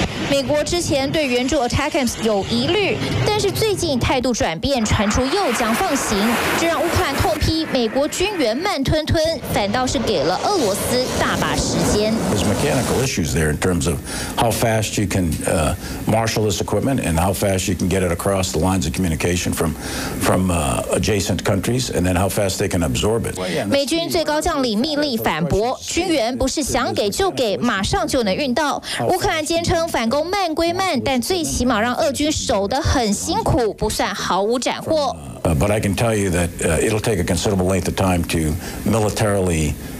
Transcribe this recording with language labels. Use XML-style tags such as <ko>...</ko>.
<zh>美国之前对援助 ATACMS 有疑虑，但是最近态度转变，传出又将放行，这让乌克兰痛批美国军援慢吞吞，反倒是给了俄罗斯大把时间。</zh> <en>There's mechanical issues there in terms of how fast you can marshal this equipment and how fast you can get it across the lines of communication from adjacent countries and then how fast they can absorb it.</en> <zh>美军最高将领密利反驳，军援不是想给就给，马上就能运到。乌克兰坚称反。攻慢归慢，但最起码让俄军守得很辛苦，不算毫无斩获。</zh> <en>But I can tell you that it'll take a considerable length of time to militarily</en>